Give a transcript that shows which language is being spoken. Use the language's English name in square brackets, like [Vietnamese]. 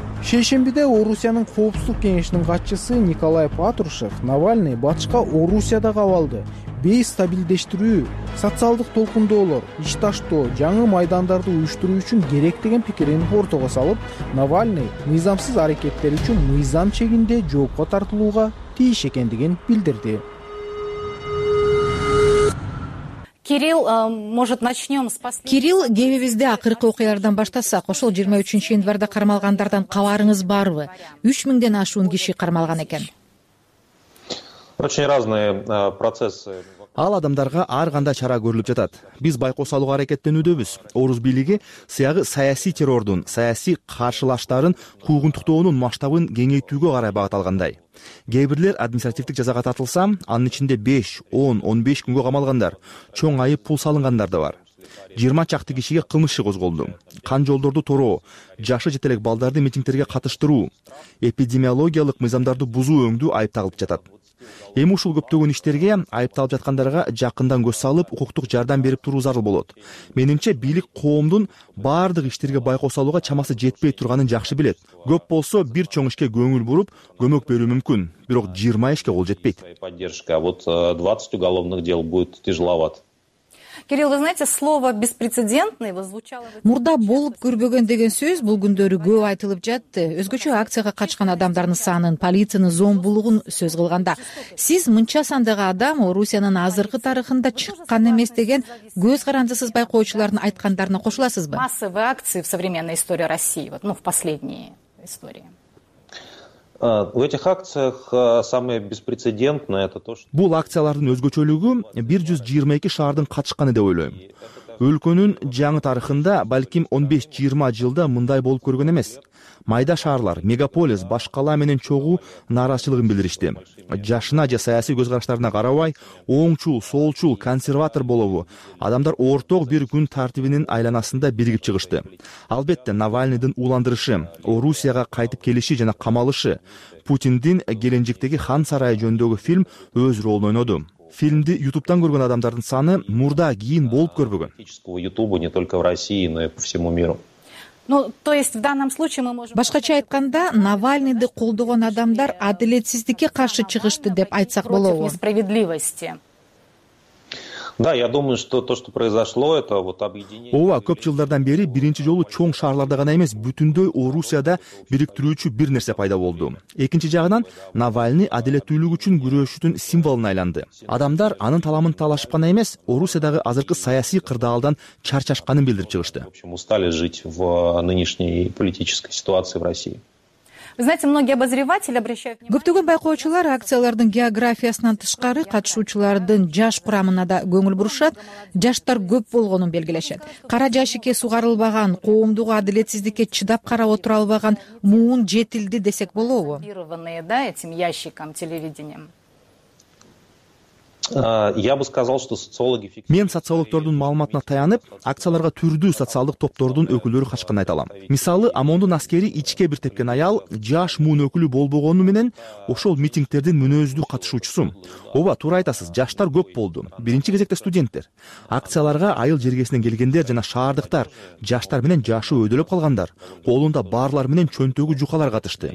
[Kyrgyz] Шейшембиде Орусиянын коопсуздук кеңешинин катчысы Николай Патрушев Навальный батышка Орусиядагы абалды бейстабилдештирүү, социалдык толкундоолор, иш таштоо, жаңы майдандарды уюштуруу үчүн керек деген пикирин ортого салып, Навальный мыйзамсыз аракеттер үчүн мыйзам чегинде жоопко тартылууга тийиш экендигин билдирди. [Russian] Кирилл, может, начнем с последнего. [Kyrgyz] Кирилл, кебибизди акыркы окуялардан баштасак, ошол 23 январда кармалгандардан кабарыңыз барбы? 3000ден ашуун киши кармалган экен. [Russian] Очень разные процессы. [Kyrgyz] Ал адамдарга ар кандай чара көрүлүп жатат. Биз байкоо салууга аракеттенүүдөбүз. Орус бийлиги сыягы саясий террордун, саясий каршылаштардын куугунтуктоонун масштабын кеңейтүүгө карай багытталгандай. Кээ бирлер административдик жазага тартылса, анын ичинде 5, 10, 15 күнгө камалгандар, чоң айып пул салынгандар да бар. 20 чакты кишиге кылмыш иши козголду. Кан жолдорду тороо, жашы жете элек балдарды митингтерге катыштыруу, эпидемиологиялык мыйзамдарды бузуу өңдүү айып тагылып жатат. Эми ушул көптөгөн иштерге айыпталып жаткандарга жакындан көз салып, укуктук жардам берип туруу зарыл болот. Менимче, бийлик коомдун баардык иштерге байкоо салууга чамасы жетпей турганын жакшы билет. Көп болсо бир чоң ишке көңүл буруп, көмөк берүү мүмкүн, бирок 20 ишке кол жетпейт. [Russian] Поддержка, а вот 20 уголовных дел будет тяжеловато. Кирилл, вы знаете, слово беспрецедентный звучало... [Kyrgyz] Мурда болуп көрбөгөн деген сөз бул күндөрү көп айтылып жатты. Өзгөчө акцияга катышкан адамдардын санын, полициянын зомбулугун сөз кылганда. Сиз мынча сандагы адам Орусиянын азыркы тарыхында чыккан эмес деген көз карандысыз байкоочулардын айткандарына кошуласызбы? [Russian] Массовые акции в современной истории России, вот, ну, в последние истории. В этих акциях самое беспрецедентное это то, что [Kyrgyz] бул акциялардын өзгөчөлүгү 122 шаардын катышканы деп ойлойм. Өлкөнүн жаңы тарыхында балким 15-20 жылда мындай болуп көргөн эмес. Майда шаарлар, мегаполис, башкала менен чогуу нааразычылыгын билдиришти. Жашына же саясий көз караштарына карабай, оңчул, солчул, консерватор болобу, адамдар орток бир күн тартибинин айланасында биригип чыгышты. Албетте, Навальныйдын уландырышы, Орусияга кайтып келиши жана камалышы, Путиндин Геленджиктеги хан сарайы жөндөгү фильм өз ролун ойноду. Фильмди YouTube'дан көргөн адамдардын саны мурда кийин болуп көрбөгөн. [Russian] YouTube не только в России, но и по всему миру. Ну, то есть в данном случае мы можем [Kyrgyz] Башкача айтканда, Навальныйды колдогон адамдар адилетсиздикке каршы чыгышты деп айтсак болобу? [Russian] Против несправедливости. Да, я думаю, что то, что произошло, это вот объединение. [Kyrgyz] Ова, көп жылдардан бери биринчи жолу чоң шаарларда гана эмес, бүтүндөй Орусияда бириктирүүчү бир нерсе пайда болду. Экинчи жагынан, Навальный адилеттүүлүк үчүн күрөшүүнүн символуна айланды. Адамдар анын таламын талашып гана эмес, Орусиядагы азыркы саясий кырдаалдан чарчашканын билдирип чыгышты. [Russian] В общем, устали жить в нынешней политической ситуации в России. Вы знаете, многие обозреватели обращают внимание. [Kyrgyz] Көптөгөн байкоочулар акциялардын географиясынан тышкары катышуучулардын жаш курамына да көңүл бурушат, жаштар көп болгонун белгилешет. Кара жашикке сугарылбаган, коомдук адилетсиздикке чыдап карап отура албаган муун жетилди десек болобу? [Russian] Да, этим ящиком телевидением. Я бы сказал, что социологи [Kyrgyz] Мен социологтордун маалыматына таянып, акцияларга түрдүү социалдык топтордун өкүлдөрү катышканын айталам. Мисалы, ОМОНдун аскери ичке бир тепкен аял жаш муун өкүлү болбогону менен ошол митингдердин мүнөздүү катышуучусу. Ооба, туура айтасыз, жаштар көп болду. Биринчи кезекте студенттер. Акцияларга айыл жергесинен келгендер жана шаардыктар, жаштар менен жашы өйдөлөп калгандар, колунда барлар менен чөнтөгү жукалар катышты.